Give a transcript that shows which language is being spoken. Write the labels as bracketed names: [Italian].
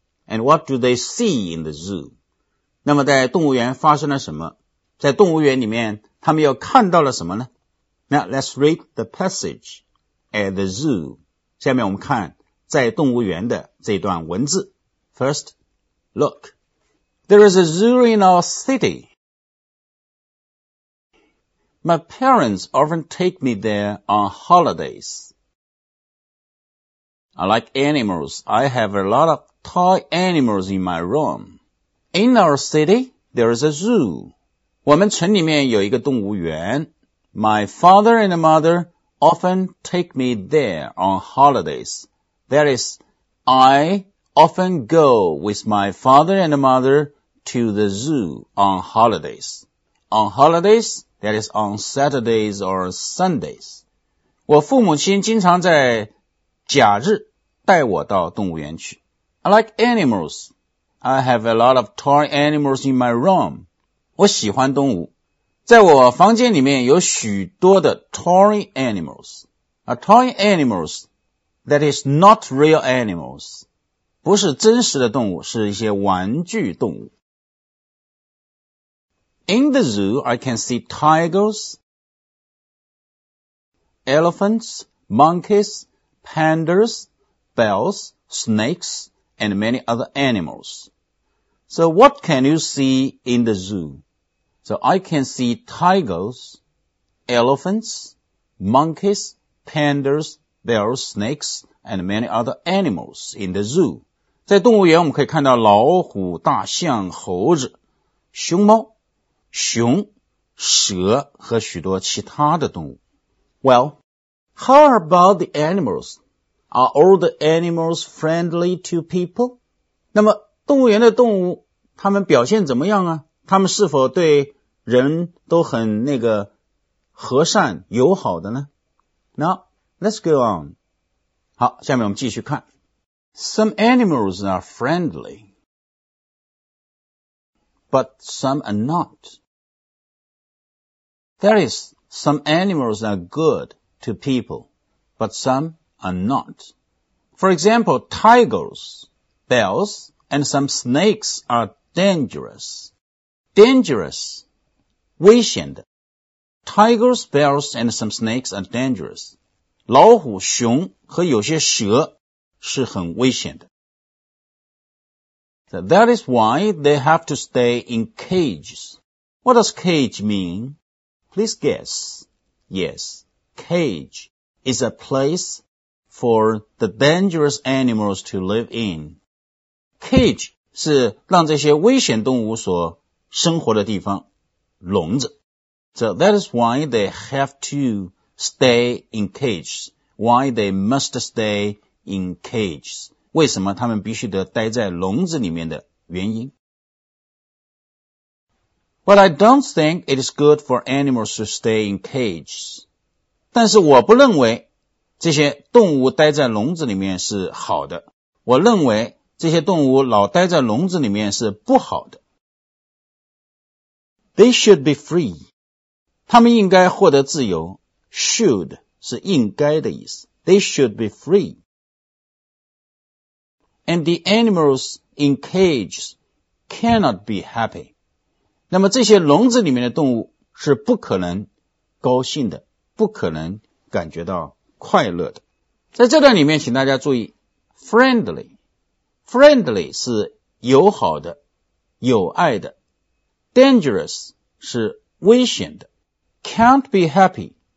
[English] And what do they see in the zoo? [Chinese] 那么在动物园发生了什么？在动物园里面他们又看到了什么呢？ [English] Now let's read the passage at the zoo. [Chinese] 下面我们看在动物园的这段文字。 [English] First, look. There is a zoo in our city. My parents often take me there on holidays. I like animals. I have a lot of toy animals in my room. In our city, there is a zoo. [Chinese] 我们城里面有一个动物园。 [English] My father and mother often take me there on holidays. That is, I often go with my father and mother to the zoo on holidays. On holidays, that is on Saturdays or Sundays. [Chinese] 我父母亲经常在假日带我到动物园去。 [English] I like animals. I have a lot of toy animals in my room. [Chinese] 我喜欢动物。在我房间里面有许多的 [English] toy animals. Toy animals,That is not real animals. [Chinese] 不是真实的动物，是一些玩具动物。 [English] In the zoo, I can see tigers, elephants, monkeys, pandas, bears, snakes, and many other animals. So what can you see in the zoo? So I can see tigers, elephants, monkeys, pandas,There are snakes and many other animals in the zoo. [Chinese] 在动物园我们可以看到老虎、大象、猴子、熊猫、熊、蛇和许多其他的动物。 [English] Well, how about the animals? Are all the animals friendly to people? [Chinese] 那么动物园的动物它们表现怎么样啊？它们是否对人都很那个和善友好的呢？ [English] Now,Let's go on. [Chinese] 好，下面我们继续看。 [English] Some animals are friendly, but some are not. That is, some animals are good to people, but some are not. For example, tigers, bears, and some snakes are dangerous. Dangerous, [Chinese] 危险的。 [English] Tigers, bears, and some snakes are dangerous. [Chinese] 老虎、熊和有些蛇是很危险的。 [English] So、that is why they have to stay in cages. What does cage mean? Please guess. Yes, cage is a place for the dangerous animals to live in. [Chinese] Cage 是让这些危险动物所生活的地方，笼子。 [English] So that is why they have to... Stay in cages. Why they must stay in cages? [Chinese] 为什么他们必须得待在笼子里面的原因？ [English] Well, I don't think it is good for animals to stay in cages. [Chinese] 但是我不认为这些动物待在笼子里面是好的。我认为这些动物老待在笼子里面是不好的。 [English] They should be free. [Chinese] 他们应该获得自由。 [English] Should [Chinese] 是应该的意思。 [English] They should be free. And the animals in cages cannot be happy. [Chinese] 那么这些笼子里面的动物是不可能高兴的，不可能感觉到快乐的。在这段里面请大家注意 friendly. Friendly 是友好的，友爱的。 [English] Dangerous [Chinese] 是危险的。 [English] Can't be happy.